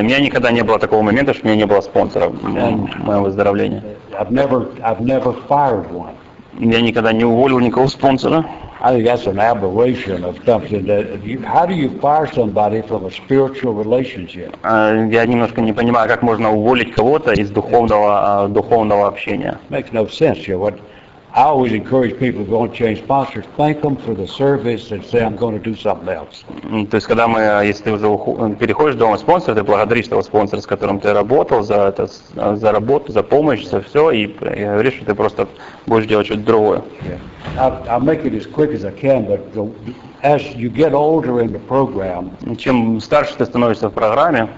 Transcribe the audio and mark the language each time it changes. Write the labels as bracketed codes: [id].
[ru] У меня никогда не было такого момента, что у меня не было спонсора в моем выздоровлении. [en] I've never fired one. [ru] Я никогда не уволил никого спонсора. [en] I think that's an aberration of something that you, how do you fire somebody from a spiritual relationship? [ru] Я немножко не понимаю, как можно уволить кого-то из духовного общения. [en] Makes no sense. You know, what I always encourage people who want to change sponsors, thank them for the service and say I'm going to do something else. [ru] То есть когда мы, если ты уже переходишь дома спонсора, ты благодаришь того спонсора, с которым ты работал за это, за работу, за помощь, за все, и говоришь, что ты просто будешь делать что-то другое. [en] I'll make it as quick as I can, but as you get older in the program, [ru] чем старше ты становишься в программе,